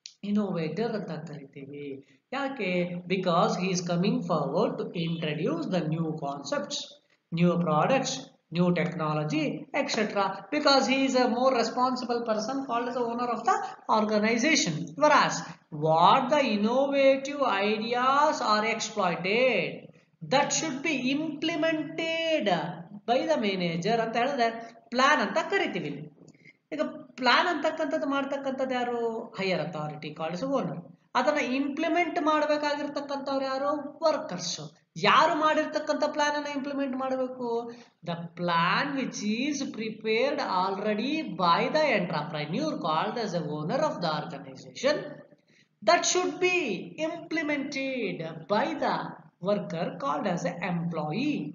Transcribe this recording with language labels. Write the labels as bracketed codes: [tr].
[kn] Innovator ಅಂತ ಕರಿತೀವಿ ಯಾಕೆ? [en] Because he is coming forward to introduce the new concepts new products new technology etcetera because he is a more responsible person called as a owner of the organization. Whereas what the innovative ideas are exploited that should be implemented by the manager [kn] ಅಂತ ಹೇಳಿದ್ರೆ plan ಅಂತ ಕರಿತೀವಿ. ಈಗ plan ಅಂತಕ್ಕಂಥದ್ದು ಮಾಡ್ತಕ್ಕಂಥದ್ದು ಯಾರು? [en] Higher authority called is owner. [kn] ಅದನ್ನು implement ಮಾಡಬೇಕಾಗಿರ್ತಕ್ಕಂಥವ್ರು ಯಾರು? ವರ್ಕರ್ಸ್. ಯಾರು ಮಾಡಿರ್ತಕ್ಕಂಥ ಪ್ಲಾನ್ ಅನ್ನು ಇಂಪ್ಲಿಮೆಂಟ್ ಮಾಡಬೇಕು? [en] The plan which is prepared already by the entrepreneur called as a owner of the organisation that should be implemented by the worker called as a employee.